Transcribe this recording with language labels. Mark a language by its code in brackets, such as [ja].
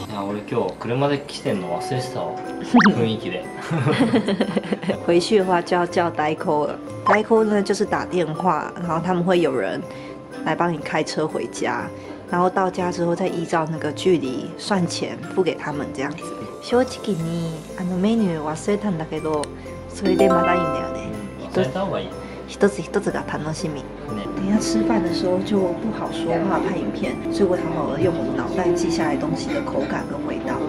[ja] いや、俺今日車で来てんの忘れてたわ。雰囲気で。 [zh] 回去的话就要叫代扣了。代扣呢就是打电话，然后他们会有人来帮你开车回家，然后到家之后再依照那个距离算钱付给他们这样子。 [ja] 正直にあのメニュー忘れたんだけど、それでまだいいんだよね。忘れた方がいい。一つ一つが楽しみ。 [zh] 等一下吃饭的时候就不好说话拍影片，所以我好好的用我的脑袋记下来东西的口感跟味道。